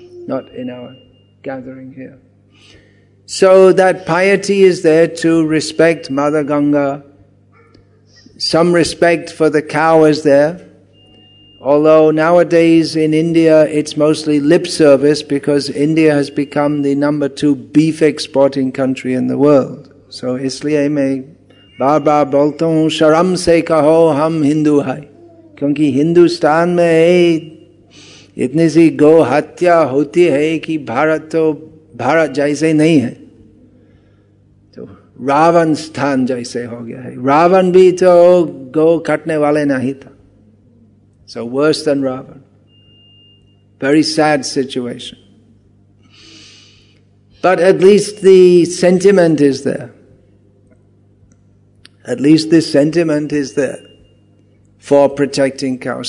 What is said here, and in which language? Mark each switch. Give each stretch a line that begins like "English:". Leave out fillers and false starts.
English: Not in our gathering here. So that piety is there to respect Mother Ganga. Some respect for the cow is there. Although nowadays in India it's mostly lip service, because India has become the number two beef exporting country in the world. So
Hindi: इसलिए मैं बार बार बोलता हूँ शर्म से कहो हम हिंदू है, क्योंकि हिंदुस्तान में इतनी सी गो हत्या होती है कि भारत तो भारत जैसे नहीं है, तो रावण स्थान जैसे हो गया है. रावण भी तो गो काटने वाले नहीं था.
English: So worse than Ravan. Very sad situation. But at least the sentiment is there. At least the sentiment is there for protecting cows.